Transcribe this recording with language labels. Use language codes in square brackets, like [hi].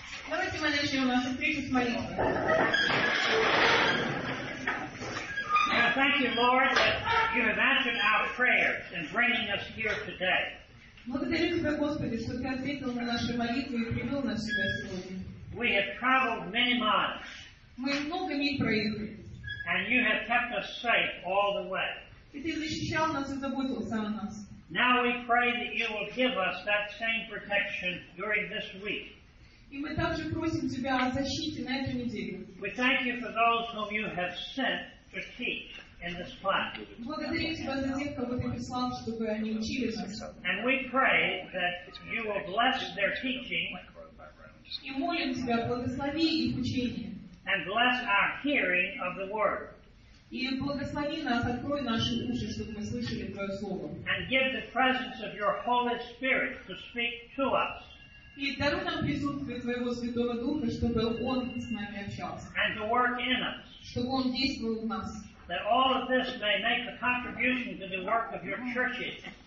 [ru] Давайте мы начнем нашу встречу с молитвой. [en] Thank you, Lord, that you have answered our prayers in bringing us here today. [ru] Благодарю тебя, Господи, что ты ответил на наши молитвы и привел нас сюда сегодня. [en] We have traveled many miles. [ru] Мы много миль проехали. [en] And you have kept us safe all the way. [ru] И ты защищал нас и заботился о нас. [en] Now we pray that you will give us that same protection during this week. [ru] И мы также просим тебя о защите на эту неделю. [en] We thank you for those whom you have sent to teach in this class. [ru] Благодарим тебя за тех, кого ты прислал, чтобы они учились. [en] And we pray that you will bless their teaching. [ru] И молим тебя, благослови их учение. [en] And bless our hearing of the word. [ru] И благослови нас, открой наши уши, чтобы мы слышали твое слово. [en] And give the presence of your Holy Spirit to speak to us. [ru] И даруй нам присутствие твоего Святого Духа, чтобы он с нами общался. [en] And to work in us. [ru] Чтобы он действовал в нас. [en] That all of this may make a contribution to the work of your churches.